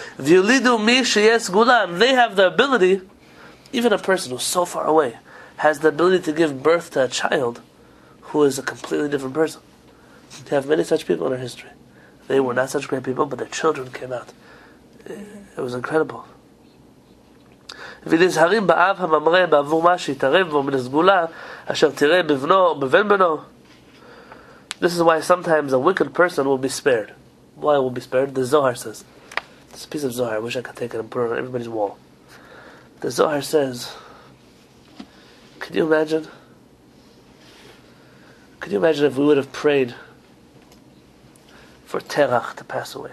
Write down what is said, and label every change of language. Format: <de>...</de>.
<he>V'yulidu mi sheyes zgula,</he> <en>they have the ability, even a person who's so far away, has the ability to give birth to a child who is a completely different person. We have many such people in our history. They were not such great people, but their children came out. It was incredible.</en> <he>ונזהרים באב הממרה בעבור מה שיתערב בו מן הסגולה אשר תראה בבנו או בבן בנו.</he> <en>This is why sometimes a wicked person will be spared. Why will be spared? The Zohar says. It's a piece of Zohar. I wish I could take it and put it on everybody's wall. The Zohar says, could you imagine? Could you imagine if we would have prayed for Terach to pass away?</en>